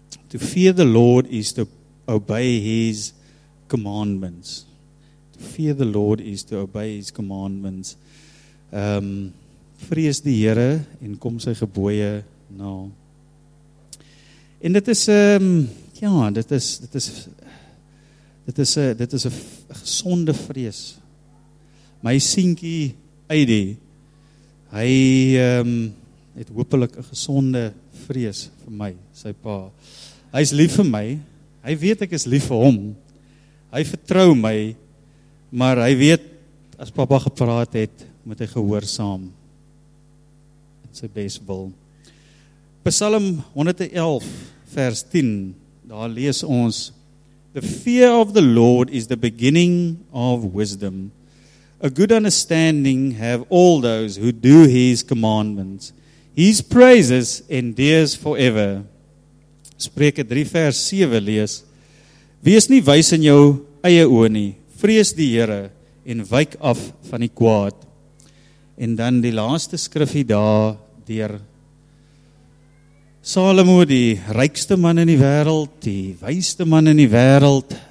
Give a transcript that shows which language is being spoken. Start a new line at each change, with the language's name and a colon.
English: To fear the Lord is to obey his commandments. To fear the Lord is to obey his commandments.
Afrikaans: Vrees die Here en kom sy gebooie na. En dit is dit is 'n gesonde vrees. My seentjie Aidy, hy het hopelik 'n gesonde vrees vir my, sy pa. Hy is lief vir my, hy weet ek is lief vir hom, hy vertrou my, maar hy weet, as papa gepraat het, moet hy gehoorsaam, in sy best wil.
English: Psalm 111 vers 10,
Afrikaans: daar lees ons,
English: The fear of the Lord is the beginning of wisdom. A good understanding have all those who do his commandments. His praises endures forever.
Afrikaans: Spreuke 3 vers 7 lees, Wees nie wys in jou eie oë nie. Vrees die Here en wyk af van die kwaad. En dan die laaste skrifgie daar deur Salomo, die rykste man in die wêreld, die wysste man in die wêreld.